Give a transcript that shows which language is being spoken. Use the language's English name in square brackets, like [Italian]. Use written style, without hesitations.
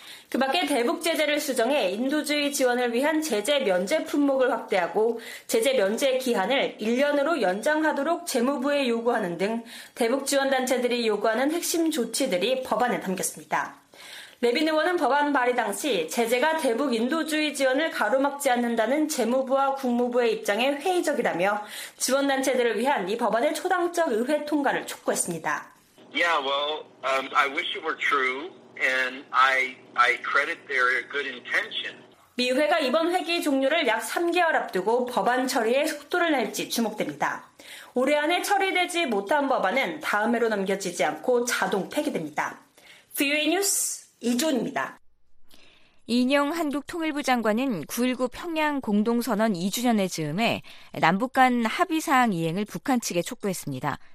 [Korean] 그 밖에 대북 제재를 수정해 인도주의 지원을 위한 제재 면제 품목을 확대하고 제재 면제 기한을 1년으로 연장하도록 재무부에 요구하는 등 대북 지원단체들이 요구하는 핵심 조치들이 법안에 담겼습니다. 레빈 의원은 법안 발의 당시 제재가 대북 인도주의 지원을 가로막지 않는다는 재무부와 국무부의 입장에 회의적이라며 지원단체들을 위한 이 법안의 초당적 의회 통과를 촉구했습니다. [English] Yeah, well, I wish it were true, and I credit their good intention. [Korean] 미 의회가 이번 회기 종료를 약 3개월 앞두고 법안 처리에 속도를 낼지 주목됩니다. 올해 안에 처리되지 못한 법안은 다음 해로 넘겨지지 않고 자동 폐기됩니다. VOA 뉴스 이준입니다. 이인영 한국통일부 장관은 9.19 평양 공동선언 2주년에 즈음해 남북 간 합의사항 이행을 북한 측에 촉구했습니다.